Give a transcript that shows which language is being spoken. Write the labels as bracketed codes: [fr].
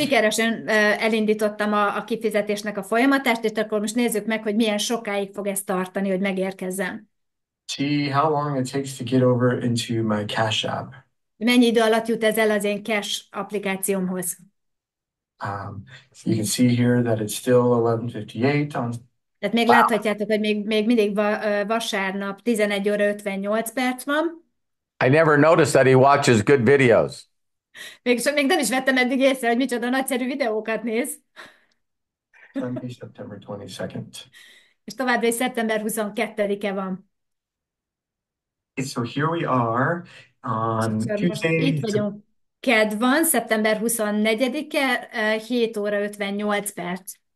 [hu] Sikeresen elindítottam a kifizetésnek a folyamatát, és akkor most nézzük meg, hogy milyen sokáig fog ez tartani, hogy megérkezzen. [en] See how long it takes to get over into my Cash App. [hu] Mennyi idő alatt jut ez el az én cash applikációmhoz? [en] So you can see here that it's still 11:58 on. [hu] Tehát még láthatjátok, hogy még mindig vasárnap 11 óra 58 perc van. [en] I never noticed that he watches good videos. [hu] Még nem is vettem eddig észre, hogy micsoda nagyszerű videókat néz. [en] Sunday, September 22nd. [hu] És továbbra is szeptember 22-e van. [en] So here we are [hu] És [en] on [hu] akkor most itt [en] Tuesday. [hu] vagyunk. Kedd van, szeptember 24-e, 7 óra 58 perc.